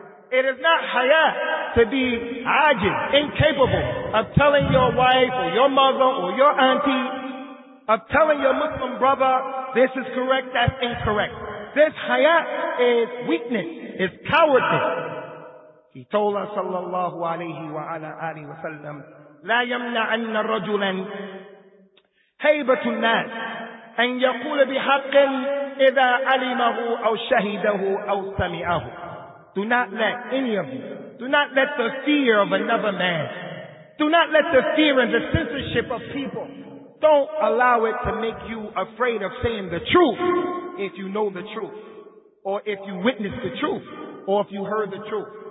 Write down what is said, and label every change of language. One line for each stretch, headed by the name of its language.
English: It is not haya to be ajiz, incapable of telling your wife or your mother or your auntie, of telling your Muslim brother, this is correct, that's incorrect. This haya is weakness, is cowardice. He told us,
Arabic: sallallahu alayhi wa ala alihi wa sallam, لا يمنع أن رجلا هيبة الناس أن يقول بحق إذا علمه أو شهده أو سمعه.
English: Do not let any of you, do not let the fear of another man, do not let the fear and the censorship of people, don't allow it to make you afraid of saying the truth if you know the truth, or if you witnessed the truth, or if you heard the truth.